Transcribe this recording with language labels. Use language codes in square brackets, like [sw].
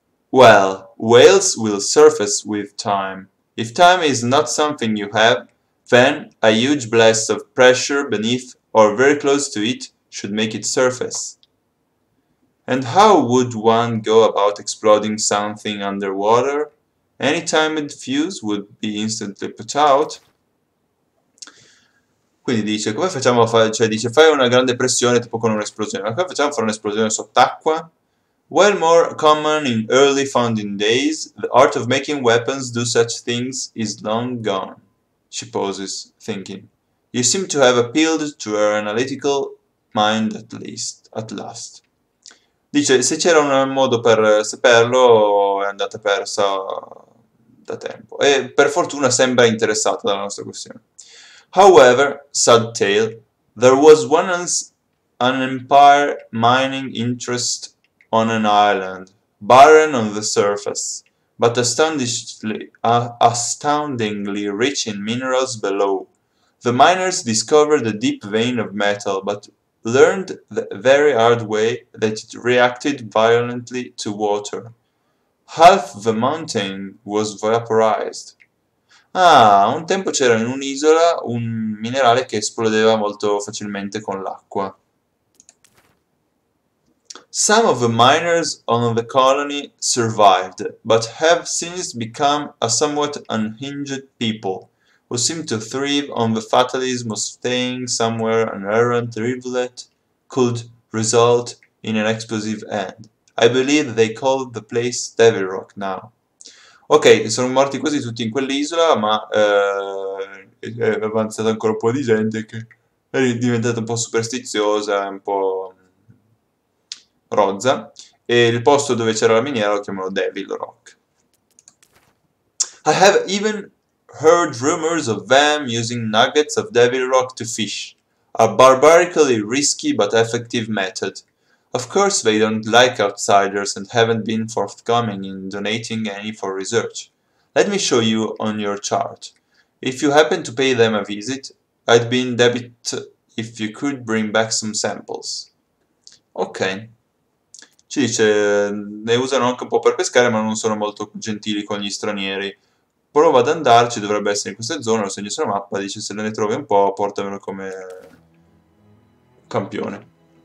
[en] Well, whales will surface with time. If time is not something you have, then a huge blast of pressure beneath or very close to it should make it surface. And how would one go about exploding something underwater? Any time a fuse would be instantly put out. [it] Quindi dice, come facciamo a fare, cioè dice, fai una grande pressione tipo con un'esplosione, ma come facciamo a fare un'esplosione sott'acqua? [en] Well, more common in early founding days, the art of making weapons do such things is long gone. She pauses, thinking. You seem to have appealed to her analytical mind at least, at last. [it] Dice, se c'era un modo per saperlo, è andata persa da tempo. E per fortuna sembra interessata dalla nostra questione. [en] However, sad tale, there was once an empire mining interest on an island, barren on the surface, but astoundingly rich in minerals below. The miners discovered a deep vein of metal, but learned the very hard way that it reacted violently to water. Half the mountain was vaporized. [it] Ah, un tempo c'era in un'isola un minerale che esplodeva molto facilmente con l'acqua. [en] Some of the miners on the colony survived, but have since become a somewhat unhinged people, who seem to thrive on the fatalism of staying somewhere an errant rivulet could result in an explosive end. I believe they call the place Devil Rock now. [it] Ok, sono morti quasi tutti in quell'isola, ma è avanzata ancora un po' di gente che è diventata un po' superstiziosa, un po' rozza, e il posto dove c'era la miniera lo chiamano Devil Rock. [en] I have even heard rumors of them using nuggets of Devil Rock to fish, a barbarically risky but effective method. Of course, they don't like outsiders and haven't been forthcoming in donating any for research. Let me show you on your chart. If you happen to pay them a visit, I'd be in debit if you could bring back some samples. Ok. [it] Ci dice, ne usano anche un po' per pescare, ma non sono molto gentili con gli stranieri. Prova ad andarci, dovrebbe essere in questa zona, lo segno sulla mappa, dice, se ne trovi un po', portamelo come campione.